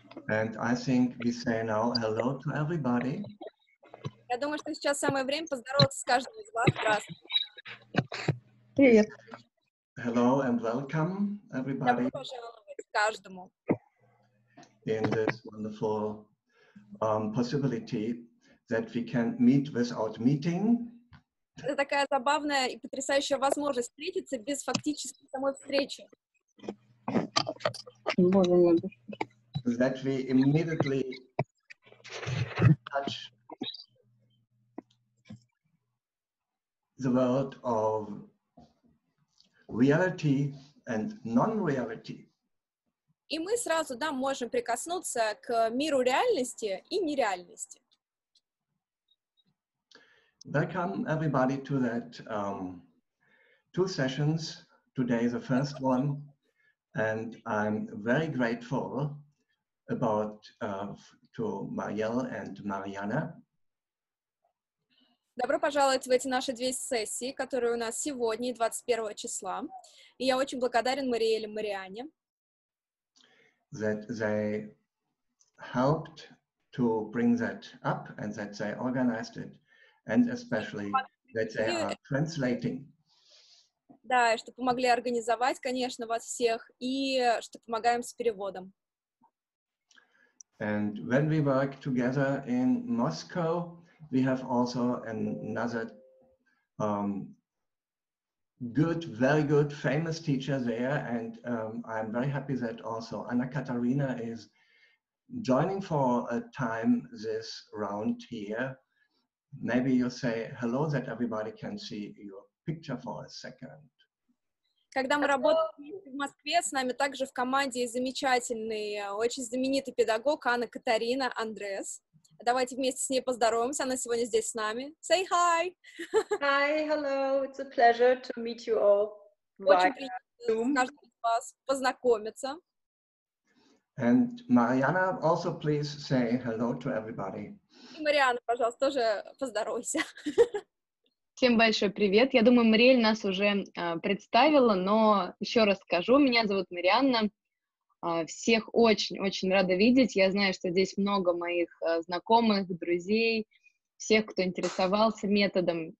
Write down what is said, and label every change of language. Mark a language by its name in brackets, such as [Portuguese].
[English] And I think we say now hello to everybody. [Russian] Я думаю, что сейчас самое время поздороваться с каждым из вас. Привет. [English] Hello and welcome, everybody. [Russian] Добро пожаловать каждому. [English] In this wonderful possibility that we can meet without meeting. [Russian] Это такая забавная и потрясающая возможность встретиться без фактической самой встречи. [English] That we immediately touch the world of reality and non-reality. [Russian] И мы сразу, да, можем прикоснуться к миру реальности и нереальности. [English] Welcome everybody to that two sessions. Today the first one. And I'm very grateful about to Marielle and Mariana. [Russian] Добро пожаловать в эти наши две сессии, которые у нас сегодня, 21 числа. И я очень благодарен Мариэле и Мариане. [English] That they helped to bring that up and that they organized it. And especially that they are translating. [Russian] Да, и что помогли организовать, конечно, вас всех, и что помогаем с переводом. [English] And when we work together in Moscow, we have also another good, very good, famous teacher there, and I'm very happy that also Anna Katharina is joining for a time this round here. Maybe you say hello that everybody can see your picture for a second. [Russian] Когда мы работаем в Москве, с нами также в команде замечательный, очень знаменитый педагог Анна Катарина Андрес. Давайте вместе с ней поздороваемся, она сегодня здесь с нами. [English] Say hi! Hi, hello, it's a pleasure to meet you all. [Russian] Очень приятно с каждым из вас познакомиться. [English] And Mariana, also please say hello to everybody. [Russian] И Мариана, пожалуйста, тоже поздоровайся. Всем большой привет. Я думаю, Мариэль нас уже представила, но еще раз скажу. Меня зовут Марианна. Всех очень-очень рада видеть. Я знаю, что здесь много моих знакомых, друзей, всех, кто интересовался методом.